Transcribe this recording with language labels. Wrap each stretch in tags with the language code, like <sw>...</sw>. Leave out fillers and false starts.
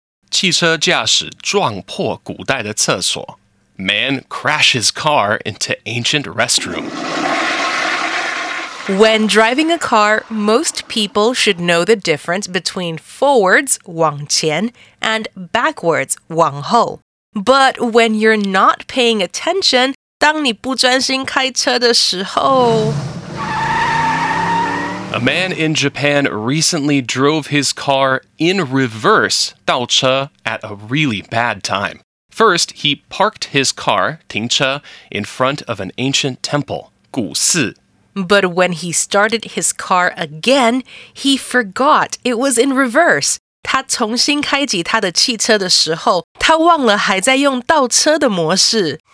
<zh>汽车驾驶撞破古代的厕所.</zh> <en>Man crashes car into ancient restroom. When driving a car, most people should know the difference between forwards, 往前, and backwards, 往后. But when you're not paying attention,</en> <zh>当你不专心开车的时候</zh> <en>A man in Japan recently drove his car in reverse,</en> <zh>倒车,</zh> <en>at a really bad time. First, he parked his car, 停车, in front of an ancient temple, 古寺. But when he started his car again, he forgot it was in reverse.</en> <zh>他重新开启他的汽车的时候，他忘了还在用倒车的模式。</zh>